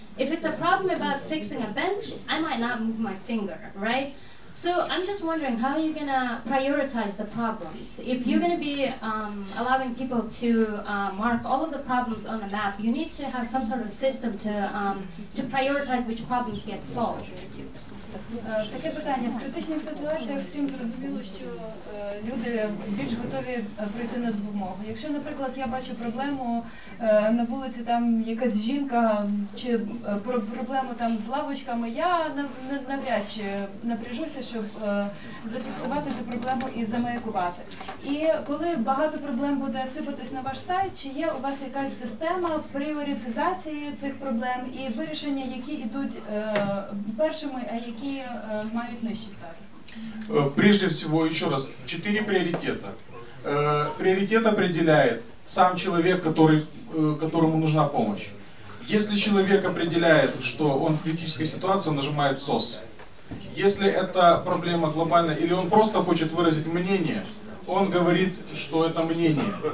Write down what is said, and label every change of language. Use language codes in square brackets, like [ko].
[en] If it's a problem about fixing a bench, I might not move my finger, right? So I'm just wondering, how are you going to prioritize the problems? If you're going to be allowing people to mark all of the problems on a map, you need to have some sort of system to prioritize which problems get solved. Thank you. [uk] Таке питання. В критичних ситуаціях всім зрозуміло, що люди більш готові прийти на допомогу. Якщо, наприклад, я бачу проблему на вулиці, там якась жінка, чи проблему там з лавочками, я навряд чи напряжуся, щоб зафіксувати цю проблему і замаякувати. І коли багато проблем буде сипатись на ваш сайт, чи є у вас якась система пріоритизації цих проблем і вирішення, які йдуть першими, а які мають нижчий статус? [ru] Прежде всего, еще раз, 4 приоритета. Приоритет определяет сам человек, которому нужна помощь. Если человек определяет, что он в критической ситуации, он нажимает SOS. Если это проблема глобальная, или он просто хочет выразить мнение, он говорит, что это мнение.